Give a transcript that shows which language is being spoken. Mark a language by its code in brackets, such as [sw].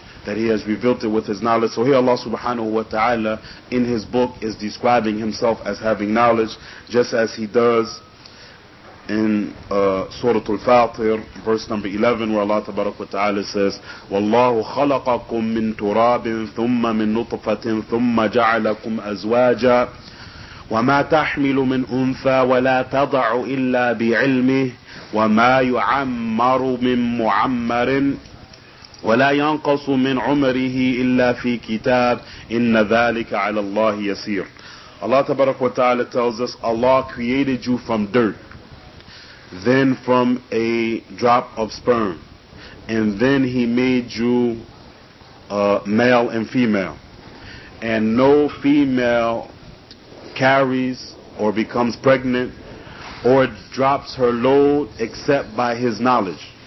[en] That He has revealed it with His knowledge. So here Allah subhanahu wa ta'ala in His book is describing Himself as having knowledge, just as He does in Surah Al-Fatir, verse number 11, where Allah tabarak wa ta'ala says, [ar] وَاللَّهُ خَلَقَكُم مِّن تُرَابٍ ثُمَّ مِن نُطْفَةٍ ثُمَّ جَعَلَكُمْ أَزْوَاجًا وما تحمل من أنثى ولا تضع إلا بعلمه وما يعمر من معمر ولا ينقص من عمره إلا في كتاب إن ذلك على الله يسير. [en] Allah Tabaraka wa Ta'ala tells us, Allah created you from dirt, then from a drop of sperm, and then He made you male and female. And no female carries or becomes pregnant or drops her load except by His knowledge.